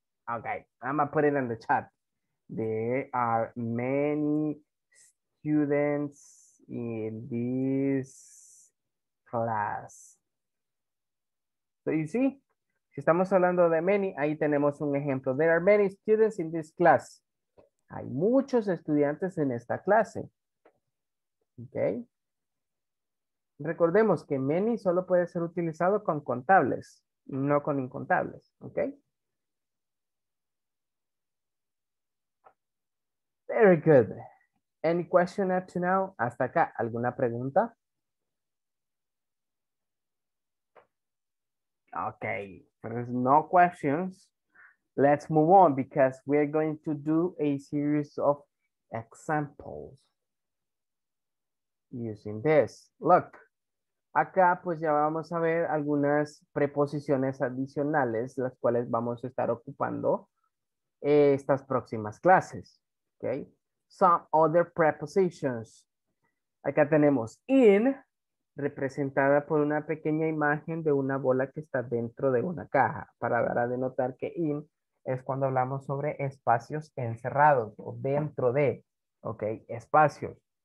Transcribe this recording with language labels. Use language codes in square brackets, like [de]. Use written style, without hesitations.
[en] Ok, I'm gonna put it in the chat. There are many students in this class. So you see, si [es] Si estamos hablando de many, ahí tenemos un ejemplo. [en] There are many students in this class. [es] Hay muchos estudiantes en esta clase. [en] ¿Ok? [es] Recordemos que many solo puede ser utilizado con contables, no con incontables. ¿Ok? [en] Very good. Any question up to now? [es] Hasta acá. ¿Alguna pregunta? [en] Ok. There's no questions. Let's move on because we're going to do a series of examples using this. Look. [es] Acá pues ya vamos a ver algunas preposiciones adicionales las cuales vamos a estar ocupando estas próximas clases. Ok. [en] Some other prepositions. [es] Acá tenemos in, representada por una pequeña imagen de una bola que está dentro de una caja, para dar a denotar que in es cuando hablamos sobre espacios encerrados o dentro de, ok, espacios.